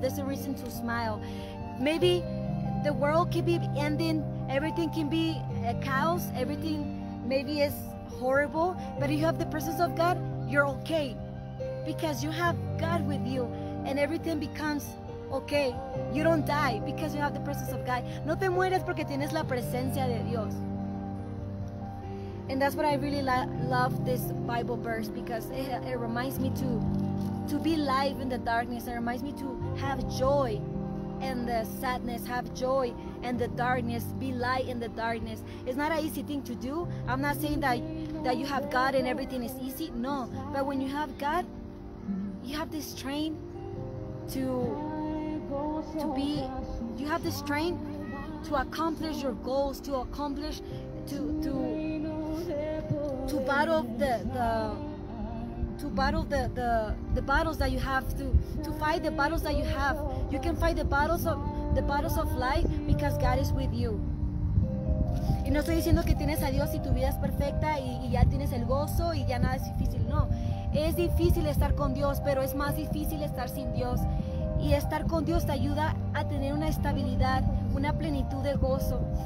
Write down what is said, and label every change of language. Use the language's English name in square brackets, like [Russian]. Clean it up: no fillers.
[English] There's a reason to smile. Maybe the world can be ending. Everything can be a chaos. Everything maybe is horrible. But you have the presence of God, you're okay, because you have God with you, and everything becomes okay. You don't die because you have the presence of God. [Spanish] No te mueres porque tienes la presencia de Dios. [English] And that's what I really love this Bible verse, because it reminds me to be alive in the darkness. It reminds me to have joy in the sadness, have joy in the darkness, be light in the darkness. It's not an easy thing to do. I'm not saying that you have God and everything is easy. No, but when you have God, you have this strength to accomplish your goals, to accomplish, to battle the battles that you have, to fight the battles that you have. You can fight the battles of life because God is with you. [Spanish] Y no estoy diciendo que tienes a Dios y tu vida es perfecta y ya tienes el gozo y ya nada es difícil. No, es difícil estar con Dios, pero es más difícil estar sin Dios. Y estar con Dios te ayuda a tener una estabilidad, una plenitud de gozo.